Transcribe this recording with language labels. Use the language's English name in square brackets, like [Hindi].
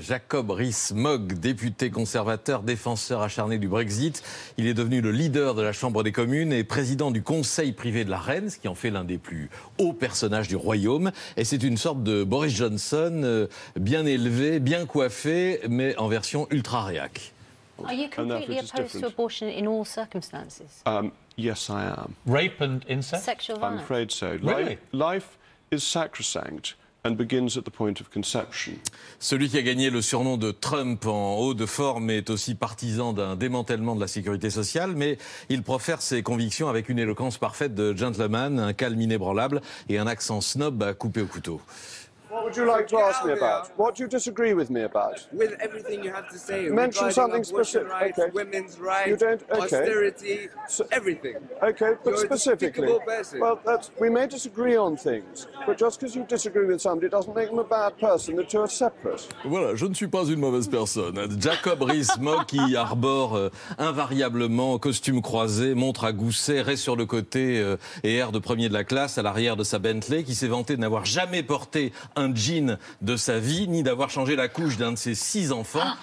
[French] Jacob Rees-Mogg, député conservateur, défenseur acharné du Brexit. Il est devenu le leader de la Chambre des communes et président du Conseil privé de la Reine, ce qui en fait l'un des plus hauts personnages du royaume. Et c'est une sorte de Boris Johnson, bien élevé, bien coiffé, mais en version ultra-réac. [English] Are you completely opposed to abortion in all circumstances? Yes, I am. Rape and incest? Sexual violence? I'm afraid so. Really? Life is sacrosanct. And begins at the point of conception. [French] Celui qui a gagné le surnom de Trump en haut de forme est aussi partisan d'un démantèlement de la sécurité sociale, mais il profère ses convictions avec une éloquence parfaite de gentleman, un calme inébranlable et un accent snob à couper au couteau. [English] What would you like to ask me about? What do you disagree with me about? With everything you have to say. Mention something specific. Rights, okay. Women's rights. You don't. Okay. Austerity. So, everything. Okay, but you're specifically. A despicable person. Well, we may disagree on things, but just because you disagree with somebody doesn't make them a bad person. The two are separate. [French] Voilà, je ne suis pas une mauvaise personne. Jacob Rees-Mogg, qui arbore invariablement costume croisé, montre à gousset, raie sur le côté et air de premier de la classe à l'arrière de sa Bentley, qui s'est vanté de n'avoir jamais porté un jean de sa vie, ni d'avoir changé la couche d'un de ses 6 enfants.